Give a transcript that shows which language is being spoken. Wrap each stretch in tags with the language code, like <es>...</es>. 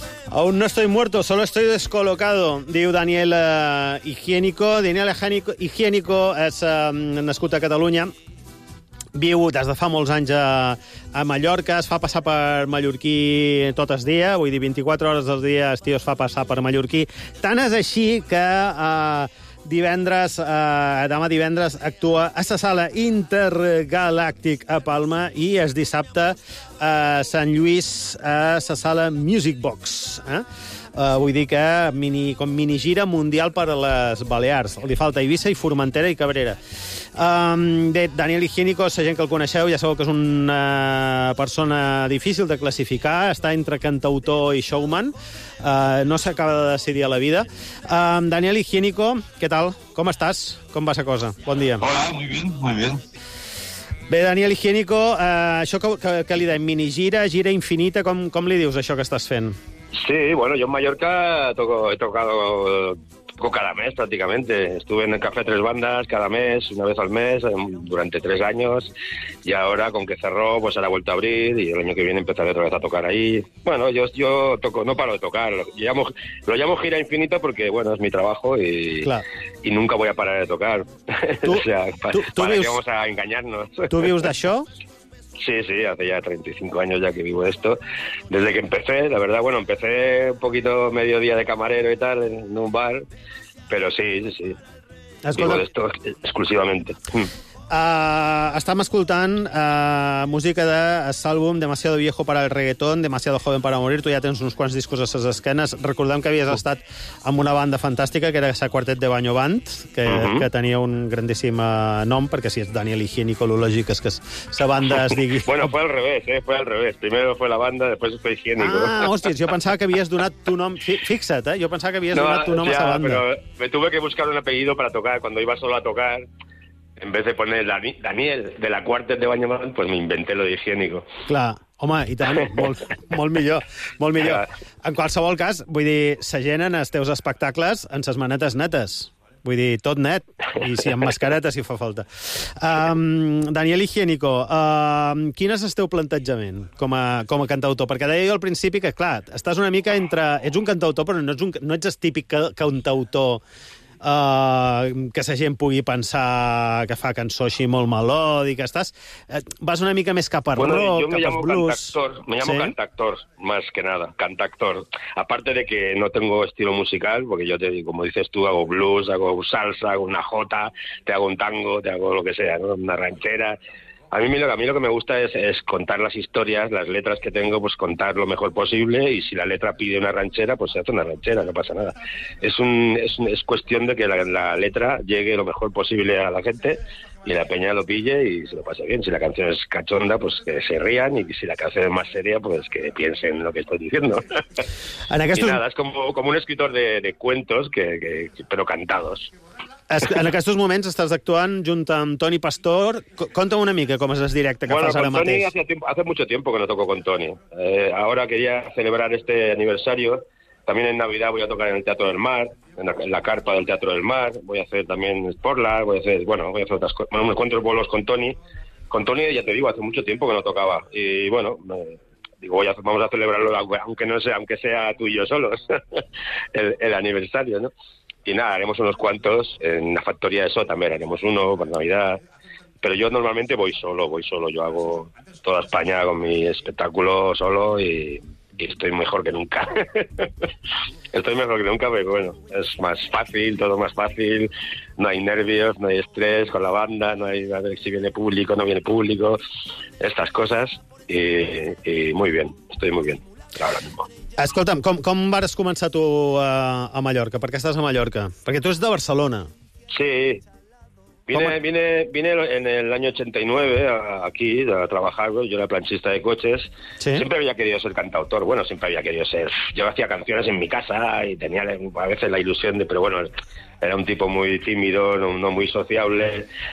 <es>Aún no estoy muerto, solo estoy descolocado,</es> <ca>diu</ca> <es>Daniel Higiénico.</es> <ca>Daniel Higiénico és nascut a Catalunya, viu des de fa molts anys a Mallorca, es fa passar per mallorquí tot el dia, vull dir, 24 hores del dia el tio es fa passar per mallorquí. Tant és així que demà divendres actua a la sala Intergalàctic a Palma i es dissabte a Sant Lluís, a la sala Music Box. Vull dir que mini, com mini gira mundial per a les Balears. Li falta Eivissa i Formentera i Cabrera. Daniel Higiénico, la gent que el coneixeu, ja sabeu que és una persona difícil de classificar, està entre cantautor i showman, no s'acaba de decidir a la vida. Daniel Higiénico, què tal? Com estàs? Com va la cosa? Bon dia.</ca> <es>Hola, muy bien, muy bien.</es> <ca>Bé, Daniel Higiénico, això que li dèiem, minigira, gira infinita, com li dius això que estàs fent?</ca> <es>Sí, bueno, yo en Mallorca toco cada mes prácticamente. Estuve en el Café Tres Bandas cada mes, una vez al mes, durante 3 años. Y ahora, con que cerró, pues ahora ha vuelto a abrir y el año que viene empezaré otra vez a tocar ahí. Bueno, yo toco, no paro de tocar. Lo llamo gira infinita porque, bueno, es mi trabajo y, claro, y nunca voy a parar de tocar. ¿Tú, o sea, para que vamos a engañarnos? ¿Tú vives de eso? Sí, sí, hace ya 35 años ya que vivo esto. Desde que empecé, la verdad, bueno, empecé un poquito mediodía de camarero y tal, en un bar, pero sí, sí, sí. Escolta, vivo de esto exclusivamente.</es> <ca>Estamos escoltant música de l'àlbum Demasiado Viejo para el Reggaetón, Demasiado Joven para Morir. Tu ja tens uns quants discos a les esquenes. Recordem que havies estat amb una banda fantàstica, que era el Quartet de Baño Band, que, que tenia un grandíssim nom, perquè si és Daniel Higiénico,</ca> <es>lo lógico</es> <ca>és que la banda es digui...</ca> <es>Bueno, fue al revés, fue al revés. Primero fue la banda, después fue Higiénico.</es> <ca>Ah, hòstia, jo pensava que havies donat tu nom... Fixa't, eh? Jo pensava que havies donat tu nom a la banda.</ca> <es>Pero me tuve que buscar un apellido para tocar. Cuando iba solo a tocar, en vez de poner Daniel, de la Quartet de Baño Man, pues me inventé lo de Higiénico.</es> <ca>Clar, home, i tant, molt millor, molt millor. En qualsevol cas, vull dir, se generen els teus espectacles en ses manetes netes. Vull dir, tot net, i si amb mascareta, si fa falta. Daniel Higiénico, quin és el teu plantejament com a cantautor? Perquè deia jo al principi que, clar, estàs una mica entre... Ets un cantautor, però no ets el típic cantautor... que la gent pugui pensar que fa cançó així molt melòdica, estàs... Vas una mica més cap a bueno, rock, cap a blues...</ca> <es>Cantactor. Me llamo ¿sí? cantactor, más que nada, cantactor. Aparte de que no tengo estilo musical, porque yo, como dices tú, hago blues, hago salsa, hago una jota, te hago un tango, te hago lo que sea, ¿no? Una ranchera... A mí lo que me gusta es contar las historias, las letras que tengo, pues contar lo mejor posible, y si la letra pide una ranchera, pues se hace una ranchera, no pasa nada. Es cuestión de que la letra llegue lo mejor posible a la gente y la peña lo pille y se lo pase bien. Si la canción es cachonda, pues que se rían, y si la canción es más seria, pues que piensen lo que estoy diciendo.</es> <ca>Aquestos...</ca> <es>Y nada, es como un escritor de cuentos, que pero cantados.</es> <ca>En aquests moments estàs actuant junt amb Toni Pastor. Conta'm una mica com és el directe que bueno, fas ara mateix.</ca> <es>Hace mucho tiempo que no toco con Toni. Ahora quería celebrar este aniversario. También en Navidad voy a tocar en el Teatro del Mar, en la carpa del Teatro del Mar. Voy a hacer también Sportlar, voy a hacer otras cosas. Bueno, me encuentro bolos con Toni. Con Toni, ya te digo, hace mucho tiempo que no tocaba. Y bueno... vamos a celebrarlo, aunque sea tú y yo solos, el aniversario, ¿no? Y nada, haremos unos cuantos en la factoría de Sota, también haremos uno para Navidad. Pero yo normalmente voy solo. Yo hago toda España con mi espectáculo solo y estoy mejor que nunca. Estoy mejor que nunca porque, bueno, es más fácil, todo más fácil. No hay nervios, no hay estrés con la banda, no hay a ver si viene público, no viene público, estas cosas. Y muy bien, estoy muy bien ahora mismo.</es> <ca>Escolta'm, com vas començar tu a Mallorca? Per què estàs a Mallorca? Perquè tu ets de Barcelona.</ca> <es>Sí. Vine en el año 89 aquí a trabajar. Yo era planchista de coches. Sí. Siempre había querido ser cantautor. Bueno, siempre había querido ser... Yo hacía canciones en mi casa y tenía a veces la ilusión de... Pero bueno, era un tipo muy tímido, no muy sociable.</es>